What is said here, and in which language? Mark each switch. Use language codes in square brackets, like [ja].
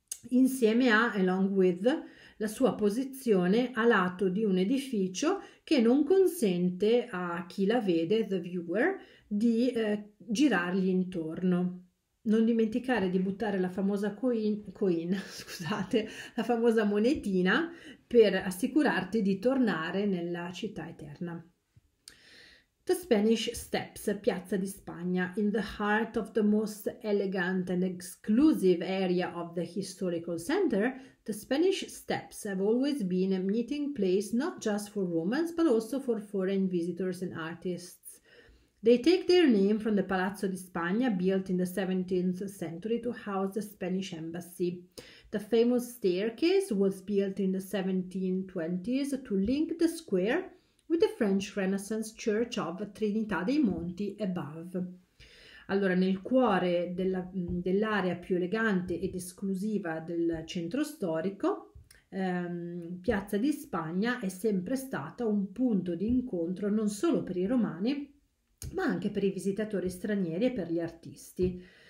[it] Insieme a [en] Along With, [it] la sua posizione a lato di un edificio che non consente a chi la vede, [en] the viewer, [it] di girargli intorno. Non dimenticare di buttare la famosa scusate, la famosa monetina per assicurarti di tornare nella città eterna. [en] The Spanish Steps, Piazza di Spagna, in the heart of the most elegant and exclusive area of the historical center, the Spanish Steps have always been a meeting place not just for Romans, but also for foreign visitors and artists. They take their name from the Palazzo di Spagna, built in the 17th century to house the Spanish embassy. The famous staircase was built in the 1720s to link the square with the French Renaissance Church of Trinità dei Monti above. [it] Allora, nel cuore dell'area più elegante ed esclusiva del centro storico, Piazza di Spagna è sempre stata un punto di incontro non solo per i romani, ma anche per i visitatori stranieri e per gli artisti.